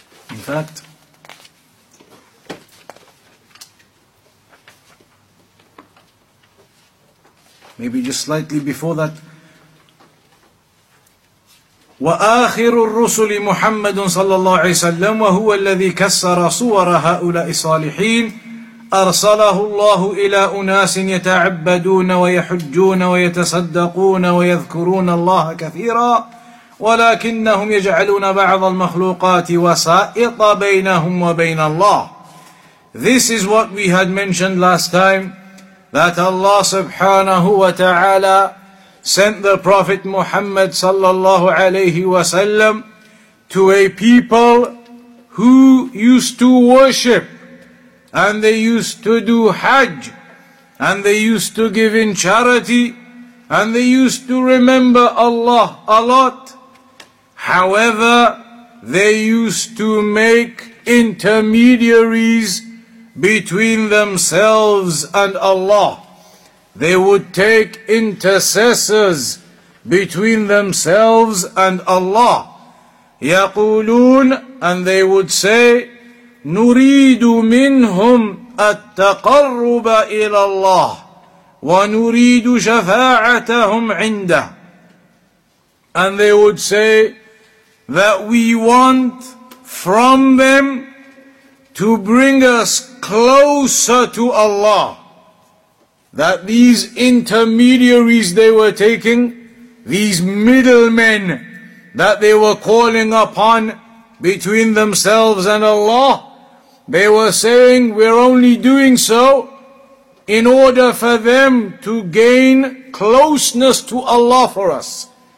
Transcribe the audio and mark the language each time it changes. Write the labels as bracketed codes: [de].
[en] In fact, maybe just slightly before that, [ar] وَآخِرُ الرُّسُلِ مُحَمَّدٌ صَلَّى اللَّهُ عَلَيْهِ وَسَلَّمَ وَهُوَ الَّذِي كَسَّرَ صُوَرَ هَؤُلَاءِ الصَّالِحِينَ أَرْسَلَهُ اللَّهُ إِلَى أُنَاسٍ يَتَعَبَّدُونَ وَيَحُجُّونَ وَيَتَصَدَّقُونَ وَيَذْكُرُونَ اللَّهَ كَثِيرًا ولكنهم يجعلون بعض المخلوقات وسائط بينهم وبين الله. [en] This is what we had mentioned last time, that Allah subhanahu wa ta'ala sent the Prophet Muhammad sallallahu alayhi wa sallam to a people who used to worship, and they used to do Hajj, and they used to give in charity, and they used to remember Allah a lot. However, they used to make intermediaries between themselves and Allah. They would take intercessors between themselves and Allah. [ar] يقولون, [en] and they would say, [ar] نريد منهم التقرب إلى الله ونريد شفاعتهم عنده. [en] And they would say that we want from them to bring us closer to Allah. That these intermediaries they were taking, these middlemen that they were calling upon between themselves and Allah, they were saying, we're only doing so in order for them to gain closeness to Allah for us.